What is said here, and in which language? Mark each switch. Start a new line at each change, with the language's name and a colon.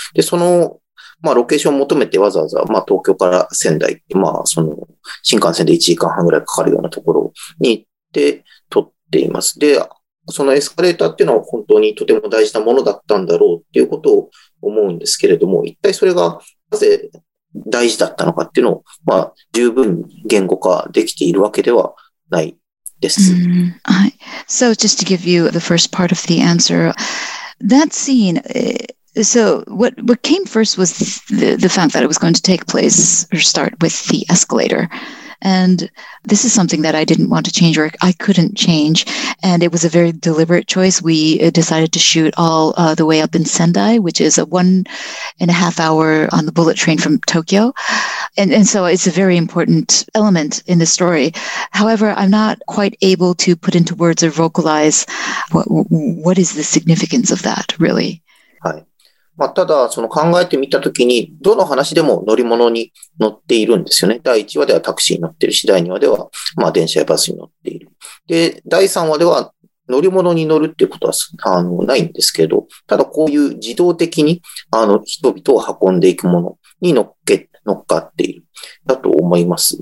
Japanese: で、その、まあ、ロケーションを求めてわざわざ、まあ、東京から仙台、まあ、その、新幹線で1時間半ぐらいかかるようなところに行って撮っています。で、そのエスカレーターっていうのは本当にとても大事なものだったんだろうっていうことを思うんですけれども、一体それがなぜ大事だったのかっていうのを、まあ、十分言語化できているわけではないです。はい。
English: So, just to give you the first part of the answer, that scene, So what came first was the fact that it was going to take place or start with the escalator. And this is something that I didn't want to change or I couldn't change. And it was a very deliberate choice. We decided to shoot all the way up in Sendai, which is a 1.5 hour on the bullet train from Tokyo. And so it's a very important element in the story. However, I'm not quite able to put into words or vocalize what is the significance of that, really.
Japanese: Hi. まあ、ただ、その考えてみたときに、どの話でも乗り物に乗っているんですよね。第1話ではタクシーに乗ってるし、第2話では、まあ電車やバスに乗っている。で、第3話では乗り物に乗るっていうことは、ないんですけど、ただこういう自動的に、人々を運んでいくものに乗っかっている、だと思います。